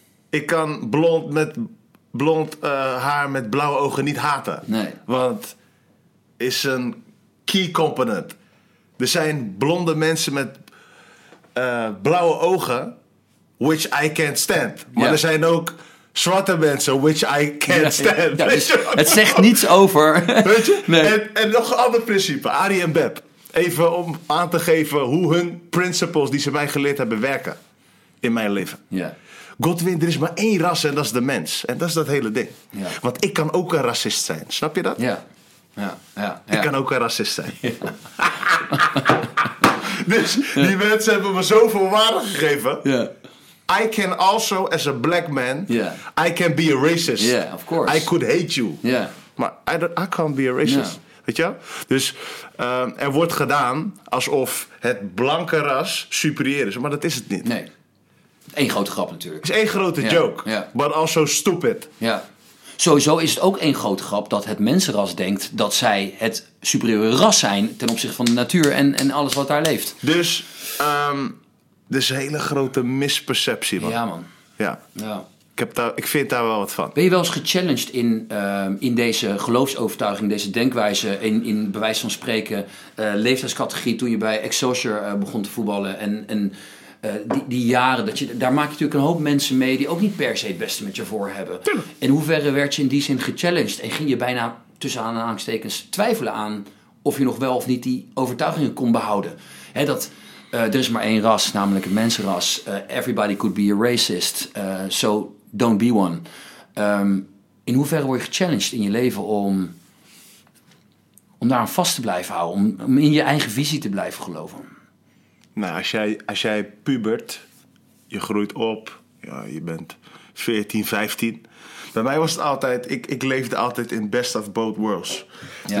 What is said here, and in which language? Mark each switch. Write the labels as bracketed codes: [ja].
[nl] Ik kan blond haar met blauwe ogen niet haten. Nee. Want is een key component. Er zijn blonde mensen met blauwe ogen, [en] which I can't stand. [nl] Maar er zijn ook... zwarte mensen, [en] which I can't stand. [nl] Ja, dus het zegt niets over. Weet je? Nee. En nog een ander principe. Arie en Beb. Even om aan te geven hoe hun principles die ze mij geleerd hebben werken. In mijn leven. Ja. Godwin, er is maar één ras en dat is de mens. En dat is dat hele ding. Ja. Want ik kan ook een racist zijn. Snap je dat? Ja. Ik kan ook een racist zijn. Ja. Dus die mensen hebben me zoveel waarde gegeven. Ja. [en] I can also, as a black man, I can be a racist. Yeah, of course. I could hate you. Yeah. Maar I can't be a racist. Yeah. [nl] Weet je? Dus er wordt gedaan alsof het blanke ras superieur is. Maar dat is het niet. Nee. Eén grote grap natuurlijk. Het is één grote joke. [en] Yeah. But also stupid. [nl] Ja. Yeah. Sowieso is het ook één grote grap dat het mensenras denkt dat zij het superieure ras zijn ten opzichte van de natuur en alles wat daar leeft. Dus... Dus een hele grote misperceptie, man. Ja, man. Ja. Ja. Ik vind daar wel wat van. Ben je wel eens gechallenged in deze geloofsovertuiging, deze denkwijze, in bij wijze van spreken, leeftijdscategorie, toen je bij Exosure begon te voetballen en die jaren, daar maak je natuurlijk een hoop mensen mee die ook niet per se het beste met je voor hebben. Tuurlijk. In hoeverre werd je in die zin gechallenged en ging je bijna tussen aanhalingstekens twijfelen aan of je nog wel of niet die overtuigingen kon behouden? Hè, dat... Er is maar één ras, namelijk het mensenras. [en] Everybody could be a racist, so don't be one. [nl] In hoeverre word je gechallenged in je leven om daar aan vast te blijven houden? Om in je eigen visie te blijven geloven? Nou, als jij pubert, je groeit op, ja, je bent 14, 15. Bij mij was het altijd, ik leefde altijd in [en] best of both worlds. [nl] Ja.